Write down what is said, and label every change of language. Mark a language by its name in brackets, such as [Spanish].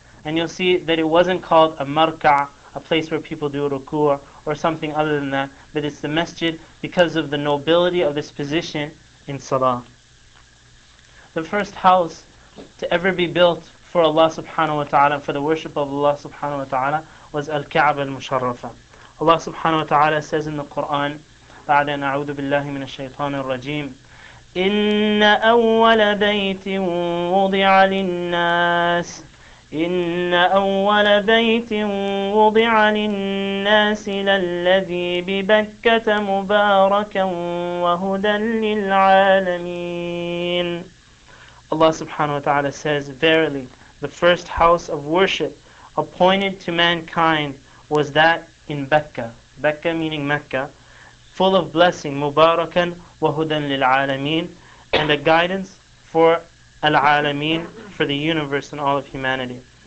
[English] And you'll see that it wasn't called a marka', a place where people do ruku', or something other than that, but it's the masjid because of the nobility of this position in salah. The first house to ever be built for Allah subhanahu wa ta'ala, for the worship of Allah subhanahu wa ta'ala, was Al-Ka'ba al-Musharrafa. Allah subhanahu wa ta'ala says in the Qur'an, [Arabic] بَعْدَ نَعُوذُ بِاللَّهِ مِنَ الشَّيْطَانِ الرَّجِيمِ إِنَّ أَوَّلَ بَيْتٍ وُضِعَ لِلنَّاسِ إِنَّ أَوَّلَ بَيْتٍ وُضِعَ لِلنَّاسِ لَلَّذِي بِبَكَّةَ مُبَارَكًا وَهُدًى لِلْعَالَمِينَ. [English] Allah subhanahu wa ta'ala says, verily, the first house of worship appointed to mankind was that in Bekka. Bekka meaning Mecca, full of blessing, [Arabic] مُبَارَكًا وَهُدًى لِلْعَالَمِينَ, [English] and a guidance for Al-Alameen, for the universe and all of humanity.